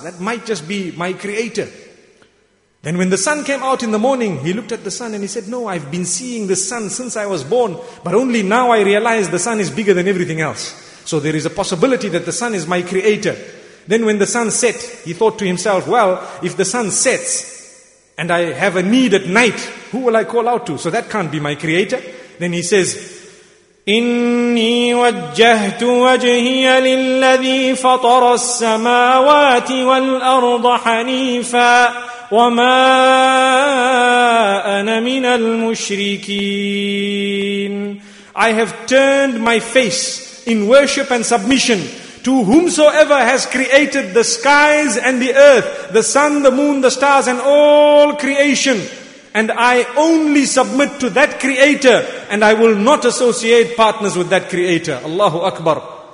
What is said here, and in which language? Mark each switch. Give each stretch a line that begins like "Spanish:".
English: That might just be my creator. Then when the sun came out in the morning, he looked at the sun and he said, no, I've been seeing the sun since I was born. But only now I realize the sun is bigger than everything else. So there is a possibility that the sun is my creator. Then when the sun set, he thought to himself, well, if the sun sets and I have a need at night, who will I call out to? So that can't be my creator. Then he says,
Arabic: إني وجهت وجهي للذي فطر السماوات والأرض حنيفا وما أنا من المشركين.
English: I have turned my face in worship and submission to whomsoever has created the skies and the earth, the sun, the moon, the stars, and all creation. And I only submit to that creator, and I will not associate partners with that creator.
Arabic: Allahu Akbar.